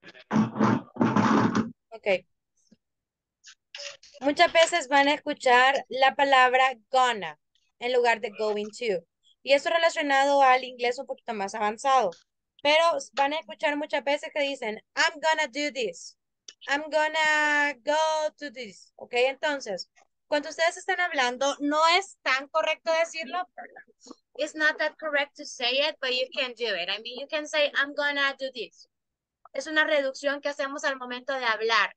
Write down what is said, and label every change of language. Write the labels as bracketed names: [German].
[Spanish] Permítanme. Okay. Muchas veces van a escuchar la palabra gonna en lugar de going to. Y esto relacionado al inglés un poquito más avanzado. Pero van a escuchar muchas veces que dicen, [English] I'm gonna do this. I'm gonna go to this. [Spanish] Okay, entonces, cuando ustedes están hablando, no es tan correcto decirlo. [English] It's not that correct to say it, but you can do it. I mean, you can say, I'm gonna do this. [Spanish] Es una reducción que hacemos al momento de hablar.